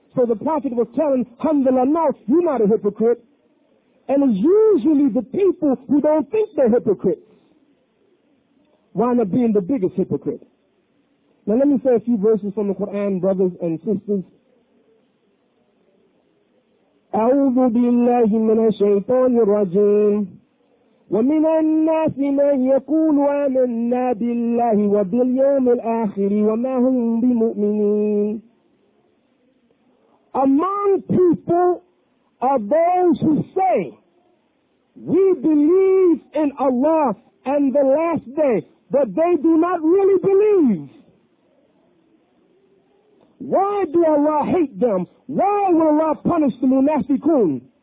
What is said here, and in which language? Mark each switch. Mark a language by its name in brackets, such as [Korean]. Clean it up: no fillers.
[English] So the Prophet was telling Hanzala, no, you're not a hypocrite. And it's usually the people who don't think they're hypocrites wind up being the biggest hypocrite. Now let me say a few verses from the Quran, brothers and sisters. [Arabic] أعوذ بالله من الشيطان الرجيم ومن الناس من يقول آمنا بالله وباليوم الآخر وما هم بمؤمنين. [English] Among people are those who say, we believe in Allah and the last day, but they do not really believe. Why do Allah hate them? Why will Allah punish the munafiqun?